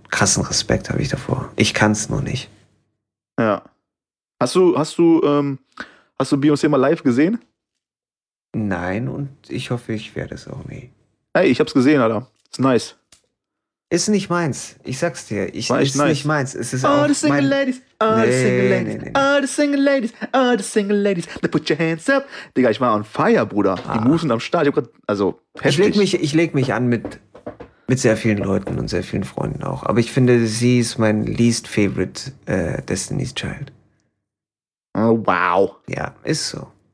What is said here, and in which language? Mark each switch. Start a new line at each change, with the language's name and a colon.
German: Krassen Respekt habe ich davor. Ich kann es nur nicht. Ja. Hast du Beyoncé mal live gesehen? Nein, und ich hoffe, ich werde es auch nie. Ey, ich hab's gesehen, Alter. Ist nice. Ist nicht meins, ich sag's dir. Nicht meins. Es ist
English: all the single ladies, all the single ladies, all the single ladies, all the single ladies, put your hands up.
German: Digga, ich war
English: on fire,
German: Bruder. Ah. Die Moves sind am Start. Ich hab grad, also, heftig. Ich leg mich an mit sehr vielen Leuten und sehr vielen Freunden auch. Aber ich finde, sie ist mein
English: least favorite
German: Destiny's Child. Oh, wow. Ja, ist so.